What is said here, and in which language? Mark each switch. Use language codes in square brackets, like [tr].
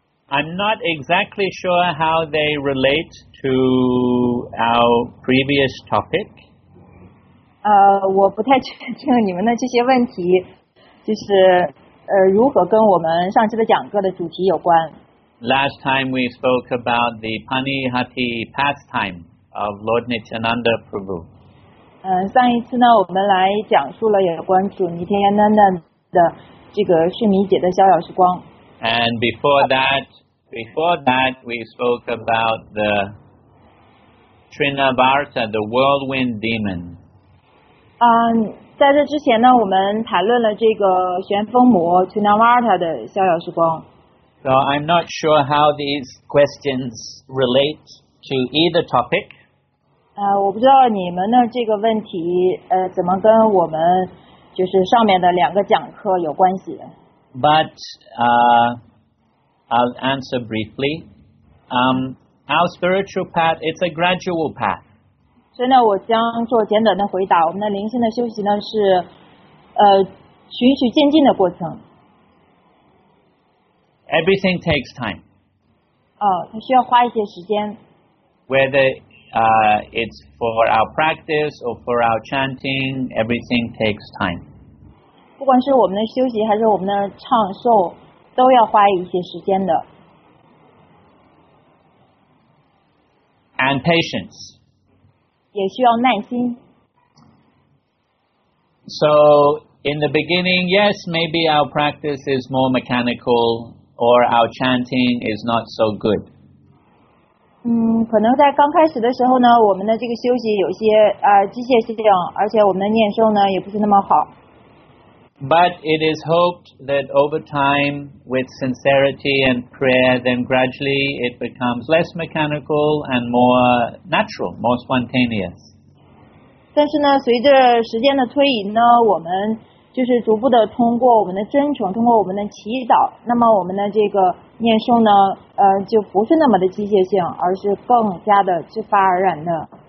[en] I'm not exactly sure how they relate to our previous topic. [zh] 我不太确定你们的这些问题, 就是, 如何跟我们上次的讲课的主题有关。 [en] Last time we spoke about the Panihati pastime of Lord Nityananda Prabhu. [zh] 上一次呢, 我们来讲述了有关主尼天安南的这个须弥节的逍遥时光。 [en] And before that, we spoke about the Trinavarta, the whirlwind demon. [zh] 在这之前呢, 我们谈论了这个旋风魔, Trinavarta的逍遥时光。 [en] So I'm not sure how these questions relate to either topic. [zh] 我不知道你们的这个问题, 怎么跟我们就是上面的两个讲课有关系。 [en] But I'll answer briefly. Our spiritual path, it's a gradual path. [zh] 所以呢,我将做简短的回答,我们的灵性的修习呢是, 循序渐进的过程。 [en] Everything takes time. [zh] 它需要花一些时间。 [en] Whether it's for our practice or for our chanting, everything takes time. [zh] 不管是我们的休息还是我们的唱诵, 都要花一些时间的。 [en] And patience. [zh] 也需要耐心。 [en] So, in the beginning, yes, maybe our practice is more mechanical, or our chanting is not so good. [zh] 可能在刚开始的时候呢, 我们的这个休息有些, 机械性, 而且我们的念诵呢, 也不是那么好。 [en] But it is hoped that over time, with sincerity and prayer, then gradually it becomes less mechanical and more natural, more spontaneous. [zh] 但是呢, 随着时间的推移呢, 我们就是逐步的通过我们的真诚, 通过我们的祈祷, 那么我们的这个念诵呢, 就不是那么的机械性, 而是更加的自发而然的。